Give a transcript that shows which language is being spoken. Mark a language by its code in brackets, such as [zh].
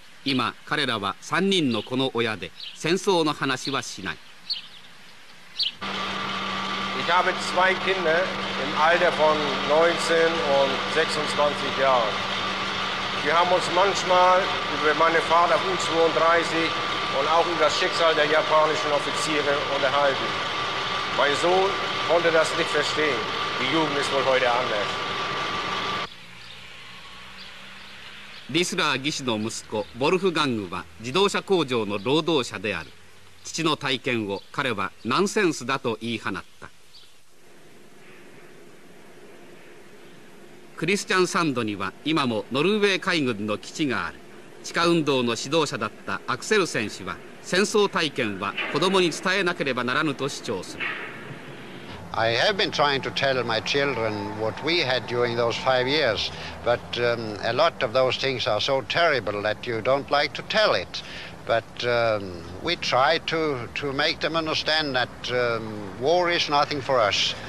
[ja] 今彼らは3人の子の親で戦争の話はしない。 [de] Ich habe zwei Kinder im Alter von 19 und 26 Jahren. Wir haben uns manchmal über meine Vater U-32 und auch über das Schicksal der japanischen Offiziere unterhalten. Mein Sohn konnte das nicht verstehen. Die Jugend ist wohl heute anders. [ja] リスラー技師の息子ボルフガングは自動車工場の労働者である。父の体験を彼はナンセンスだと言い放った。クリスチャンサンドには今もノルウェー海軍の基地がある。地下運動の指導者だったアクセルセン氏は戦争体験は子供に伝えなければならぬと主張する。 [en] I have been trying to tell my children what we had during those 5 years, but a lot of those things are so terrible that you don't like to tell it. But we try to make them understand that war is nothing for us.